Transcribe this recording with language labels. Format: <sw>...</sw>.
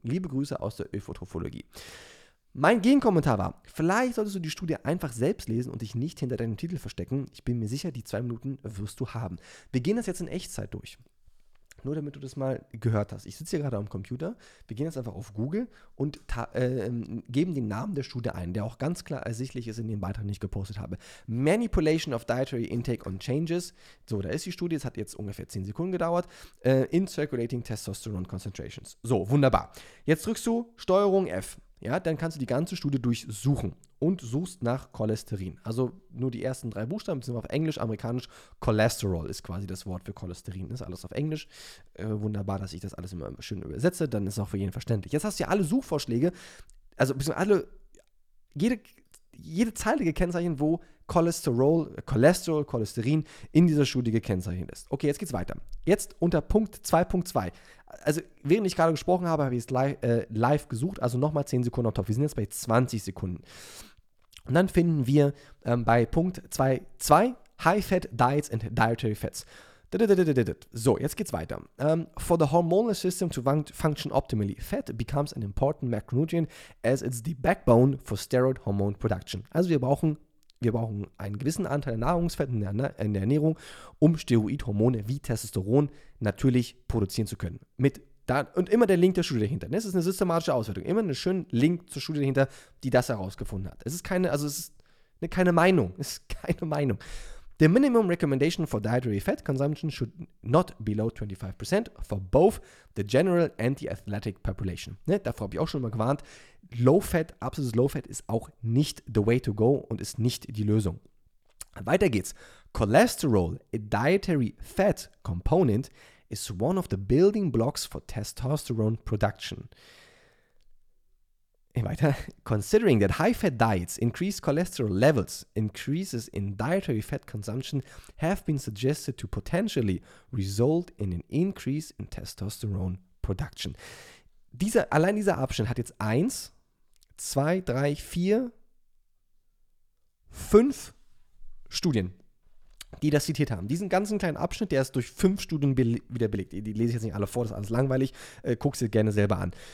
<de>Liebe Grüße aus der Ökotrophologie. Mein Gegenkommentar war, vielleicht solltest du die Studie einfach selbst lesen und dich nicht hinter deinem Titel verstecken. Ich bin mir sicher, die 2 Minuten wirst du haben. Wir gehen das jetzt in Echtzeit durch. Nur damit du das mal gehört hast. Ich sitze hier gerade am Computer. Wir gehen jetzt einfach auf Google und geben den Namen der Studie ein, der auch ganz klar ersichtlich ist in dem Beitrag, den ich gepostet habe.</de> <en>Manipulation of Dietary Intake on Changes.</en> <de>So, da ist die Studie. Es hat jetzt ungefähr 10 Sekunden gedauert.</de> <en>In Circulating Testosterone Concentrations.</en> <de>So, wunderbar. Jetzt drückst du Steuerung F. Ja, dann kannst du die ganze Studie durchsuchen und suchst nach Cholesterin. Also nur die ersten 3 Buchstaben, sind auf Englisch, Amerikanisch. Cholesterol ist quasi das Wort für Cholesterin. Ist alles auf Englisch. Wunderbar, dass ich das alles immer schön übersetze. Dann ist es auch für jeden verständlich. Jetzt hast du ja alle Suchvorschläge, also jede Zeile gekennzeichnet, wo Cholesterin in dieser Studie gekennzeichnet ist. Okay, jetzt geht's weiter. Jetzt unter Punkt 2.2. Also, während ich gerade gesprochen habe, habe ich es live gesucht, also nochmal 10 Sekunden auf Top. Wir sind jetzt bei 20 Sekunden. Und dann finden wir bei Punkt 2.2</de> <en>High-Fat Diets and Dietary Fats.</en> <de>So, jetzt geht's weiter.</de> <en>For the hormonal system to function optimally, fat becomes an important macronutrient as it's the backbone for steroid hormone production.</en> <de>Also wir brauchen einen gewissen Anteil an Nahrungsfetten in der Ernährung, um Steroidhormone wie Testosteron natürlich produzieren zu können. Und immer der Link der Studie dahinter. Es ist eine systematische Auswertung. Immer einen schönen Link zur Studie dahinter, die das herausgefunden hat. Es ist keine Meinung.</de> <en>The minimum recommendation for dietary fat consumption should not below 25% for both the general and the athletic population.</en> <de>Ne? Davor habe ich auch schon mal gewarnt. Low-Fat, absolutes Low-Fat ist auch nicht</de> <en>the way to go</en> <de>und ist nicht die Lösung. Weiter geht's.</de> <en>Cholesterol, a dietary fat component, is one of the building blocks for testosterone production. Weiter. Considering that high-fat diets increase cholesterol levels, increases in dietary fat consumption have been suggested to potentially result in an increase in testosterone production.</en> <de>Allein dieser Abschnitt hat jetzt 1, 2, 3, 4, 5 Studien, die das zitiert haben. Diesen ganzen kleinen Abschnitt, der ist durch 5 Studien wieder belegt. Die lese ich jetzt nicht alle vor, das ist alles langweilig. Guck sie gerne selber an.</de>